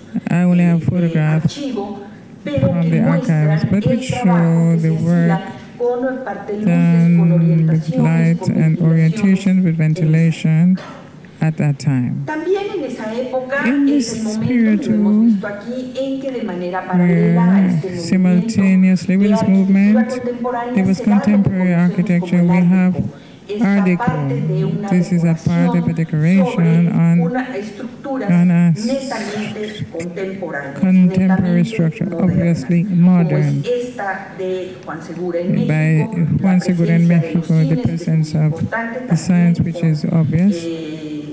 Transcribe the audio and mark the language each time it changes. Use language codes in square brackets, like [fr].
[en] I only have photographs from the archives, but which show the work done with light and orientation with ventilation at that time. [es] También en esa época, en ese momento, lo hemos visto aquí, en que de manera paralela a este movimiento, la arquitectura contemporánea, [en] there was contemporary architecture. We have Art Deco. This is a part of a decoration on a contemporary structure, obviously modern. By Juan Segura in Mexico, the presence of the science, which is obvious.